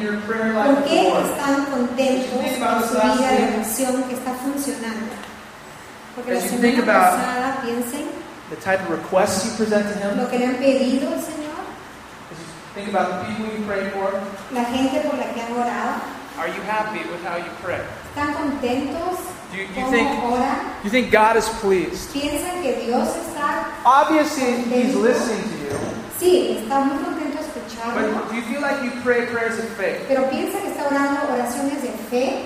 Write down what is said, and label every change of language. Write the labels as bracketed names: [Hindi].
[Spanish] ¿Con qué están contentos en su vida de oración que está funcionando? Porque la semana pasada, piensen, [English] the type of requests you present to him, [Spanish] lo que le han pedido al Señor, [English] think about the people you pray for, [Spanish] la gente por la que han orado. [English] Are you happy with how you pray? [Spanish] ¿Están contentos? [English] Do you think God is pleased? [Spanish] ¿Piensan que Dios está [English] obviously [Spanish] contento? [English] He's listening to you. [Spanish] Sí, está muy contento. [English] But do you feel like you pray prayers of faith? [Spanish] Pero piensa que está orando oraciones de fe.